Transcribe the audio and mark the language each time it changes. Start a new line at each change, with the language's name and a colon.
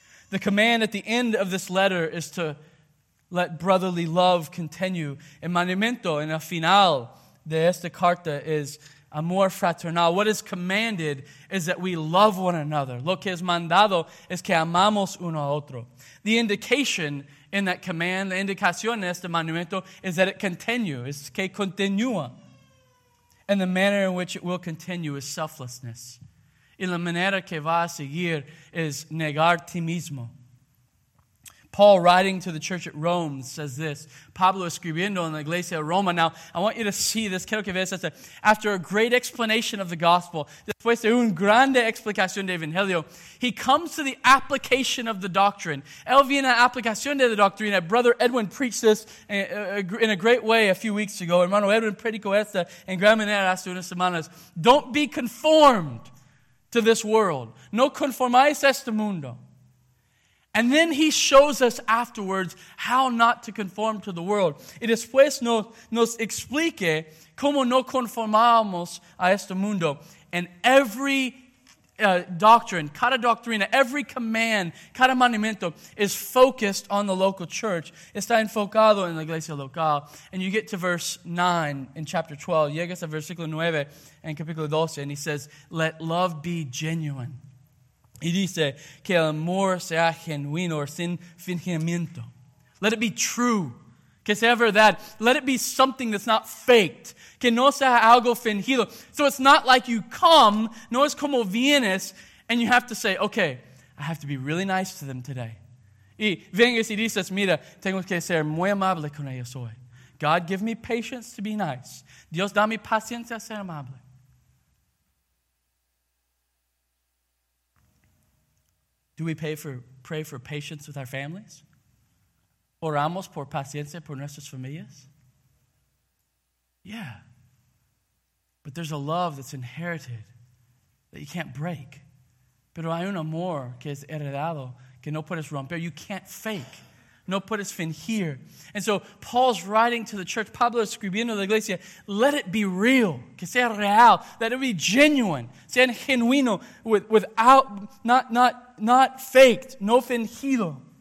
English: The command at the end of this letter is to let brotherly love continue.
Spanish: El mandamiento en el final de esta carta es amor fraternal.
English: What is commanded is that we love one another.
Spanish: Lo que es mandado es que amamos uno a otro.
English: The indication in that command,
Spanish: la indicación en este mandamiento
English: is that it continues,
Spanish: es que continúa.
English: And the manner in which it will continue is selflessness.
Spanish: Y la manera que va a seguir es negar ti mismo.
English: Paul, writing to the church at Rome, says this.
Spanish: Pablo escribiendo en la iglesia de Roma.
English: Now, I want you to see this.
Spanish: Quiero que veas esto.
English: After a great explanation of the gospel,
Spanish: después de una grande explicación de evangelio,
English: he comes to the application of the doctrine.
Spanish: Él viene a la aplicación de la doctrina.
English: Brother Edwin preached this in a great way a few weeks ago.
Spanish: Hermano Edwin predicó esta en gran manera hace unas semanas.
English: Don't be conformed to this world.
Spanish: No conformáis a este mundo.
English: And then he shows us afterwards how not to conform to the world.
Spanish: Y después nos explique cómo no conformamos a este mundo.
English: And every doctrine,
Spanish: cada doctrina,
English: every command,
Spanish: cada mandamiento
English: is focused on the local church.
Spanish: Está enfocado en la iglesia local.
English: And you get to verse 9 in chapter 12.
Spanish: Llegas a versículo 9 en capítulo 12.
English: And he says, let love be genuine.
Spanish: Y dice que el amor sea genuino or sin fingimiento.
English: Let it be true.
Spanish: Que sea verdad.
English: Let it be something that's not faked.
Spanish: Que no sea algo fingido.
English: So it's not like you come,
Spanish: no es como vienes,
English: and you have to say, okay, I have to be really nice to them today.
Spanish: Y vengas y dices, mira, tengo que ser muy amable con ellos hoy.
English: God, give me patience to be nice.
Spanish: Dios, dame paciencia a ser amable.
English: Do we pray for patience with our families?
Spanish: Oramos por paciencia por nuestras familias?
English: Yeah. But there's a love that's inherited that you can't break.
Spanish: Pero hay un amor que es heredado que no puedes romper.
English: You can't fake.
Spanish: No puedes fingir.
English: And so Paul's writing to the church,
Spanish: Pablo escribiendo a la iglesia,
English: let it be real,
Spanish: que sea real,
English: let it be genuine,
Spanish: sea genuino,
English: without, not faked,
Spanish: no fingido.